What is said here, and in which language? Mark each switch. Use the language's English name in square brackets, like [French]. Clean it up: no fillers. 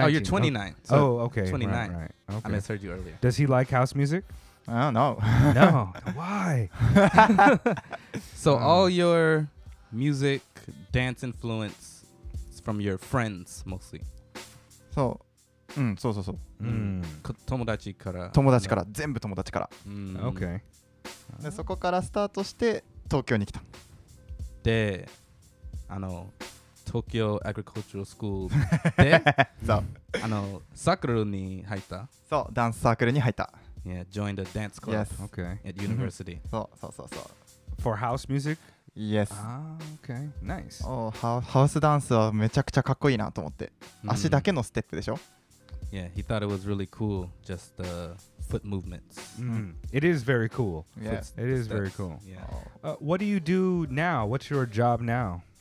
[English] Oh, you're 29. Oh, so okay. 29. Right. Okay. I misheard you earlier. Does he like house music? I don't know. No. Why? So all your music, dance influence is from your friends mostly. [Japanese] So... そうそうそう. から友達から全部友達から. [English] Okay. [Japanese] でそこからスタートして東京に来た. で、Tokyo Agricultural School で、 サークルに入った. そう、ダンスサークルに入った. [English] Yeah, joined a dance club. Yes. Okay. At university. [Japanese] そうそうそうそう. [English] For house music? Yes. Okay. Nice. [Japanese] ハウスダンスはめちゃくちゃかっこいいなと思って.足だけのステップでしょ? [English] Yeah, he thought it was really cool, just the foot movements. It is very cool. Yeah. It is very cool. Yeah. What do you do now? What's your job now?